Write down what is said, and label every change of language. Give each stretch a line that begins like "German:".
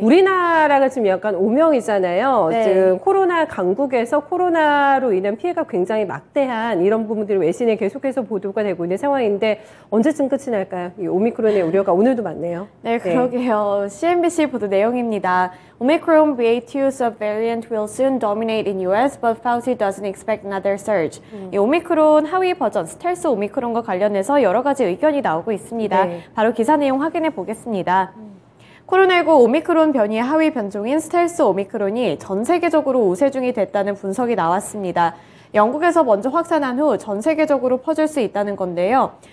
Korean: 우리나라가 지금 약간 오명이잖아요. 네. 지금 코로나 강국에서 코로나로 인한 피해가 굉장히 막대한 이런 부분들이 외신에 계속해서 보도가 되고 있는 상황인데 언제쯤 끝이 날까요? 이 오미크론의 우려가 오늘도 많네요. 네, 그러게요. 네. CNBC 보도 내용입니다.
English: Omicron BA.2 subvariant will soon dominate in US, but Fauci doesn't expect another surge.
Korean: 이 오미크론 하위 버전, 스텔스 오미크론과 관련해서 여러 가지 의견이 나오고 있습니다. 네. 바로 기사 내용 확인해 보겠습니다. 코로나19 오미크론 변이의 하위 변종인 스텔스 오미크론이 전 세계적으로 우세 중이 됐다는 분석이 나왔습니다. 영국에서 먼저 확산한 후 전 세계적으로 퍼질 수 있다는 건데요.